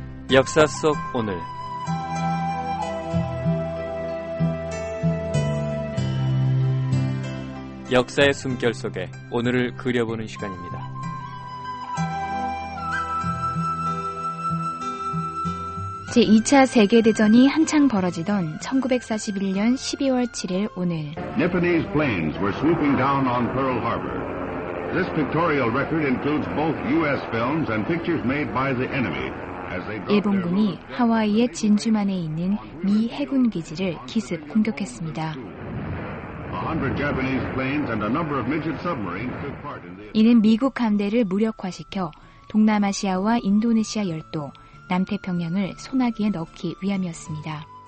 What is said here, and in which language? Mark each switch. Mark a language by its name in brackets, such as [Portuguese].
[Korean] 역사 속 오늘 역사의 숨결 속에 오늘을 그려보는 시간입니다. 제2차 세계대전이 한창 벌어지던 1941년 12월 7일 오늘 [English] Japanese planes were swooping down on Pearl Harbor. This pictorial record includes both U.S. films and pictures made by the enemy. [Korean] 일본군이 하와이의 진주만에 있는 미 해군 기지를 기습 공격했습니다. 이는 미국 함대를 무력화시켜 동남아시아와 인도네시아 열도, 남태평양을 소나기에 넣기 위함이었습니다.